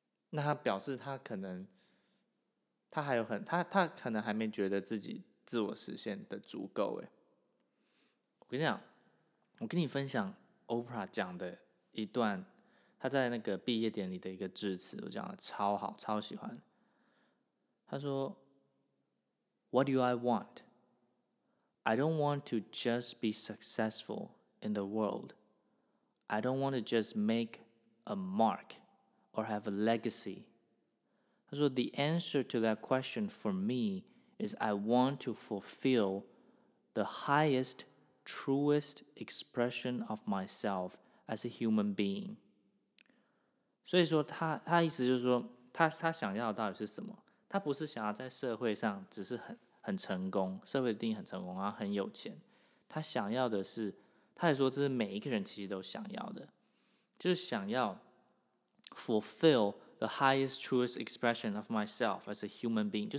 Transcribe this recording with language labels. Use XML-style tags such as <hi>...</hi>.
<zh>那他表示他可能他还有很他可能还没觉得自己自我实现的足够。我跟你讲，我跟你分享 Oprah 讲的一段他在那个毕业典礼的一个致辞，我讲的超好超喜欢。他说</zh> <en>What do I want? I don't want to just be successful in the world. I don't want to just make a mark or have a legacy.</en> <zh>他说</zh> <en>The answer to that question for meis I want to fulfill the highest, truest expression of myself as a human being.</en> <zh>所以说 他意思就是说 他想要的到底是什么，他不是想要在社会上只是 很成功，社会定义很成功然后很有钱，他想要的是，他也说这是每一个人其实都想要的，就是想要</zh> <en>fulfillThe highest, truest expression of myself as a human being.</en>